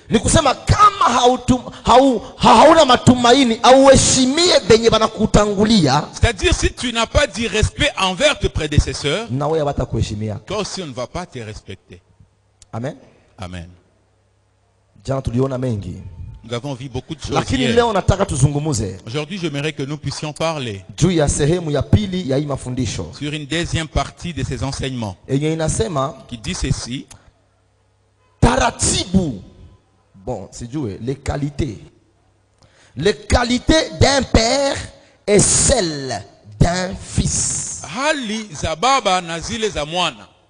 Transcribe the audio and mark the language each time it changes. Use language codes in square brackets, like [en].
[sw] Ni kusema kama hauna matumaini auheshimie benye banakutangulia. [fr] C'est-à-dire, si tu n'as pas du respect envers tes prédécesseurs, [sw] na wewe hawatakuheshimia. [fr] Toi aussi, on ne va pas te respecter. Amen. Amen. [sw] Jana tuliona mengi. [fr] Nous avons vu beaucoup de choses. [sw] Lakini leo nataka tuzungumuze. [fr] Aujourd'hui, j'aimerais que nous puissions parler [sw] juu ya sehemu ya pili ya hii mafundisho, [fr] sur une deuxième partie de ces enseignements. [sw] Enye inasema, [fr] qui dit ceci. [sw] Taratibu. [fr] Bon, c'est dur, les qualités. Les qualités d'un père est celle d'un fils. [sw] Hali za baba na zile za mwana.